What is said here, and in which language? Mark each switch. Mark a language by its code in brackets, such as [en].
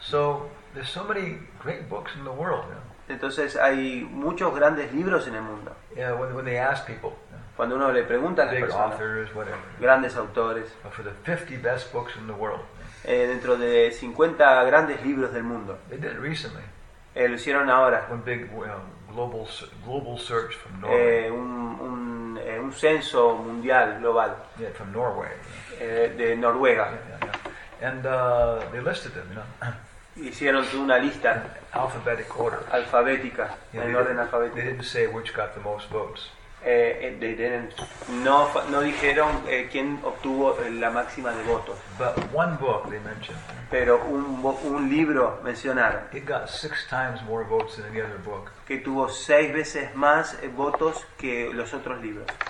[en] So there's so many great books in the world. Yeah. [es] Entonces hay muchos grandes libros en el mundo. [en] Yeah, when they ask people, [es] cuando uno le pregunta a las personas, [en] authors, whatever, [es] grandes autores, [en] for the 50 best books in the world, [es] dentro de 50 grandes libros del mundo, [en] they did it recently, [es] lo hicieron ahora, [en] one big, global search from Norway, [es] un censo mundial global, [en] yeah, from Norway, [es] de Noruega, [en] yeah, yeah, yeah. And they listed them, you know. [es] Hicieron una lista [en] alphabetic order. [es] Alfabética, yeah, en orden alfabético. [en] They didn't say which got the most votes. They didn't. [es] No dijeron quién obtuvo la máxima de votos. [en] But one book they mentioned. [es] Pero un libro mencionaron. [en] It got six times more votes than any other book. [es] Que tuvo seis veces más votos que los otros libros.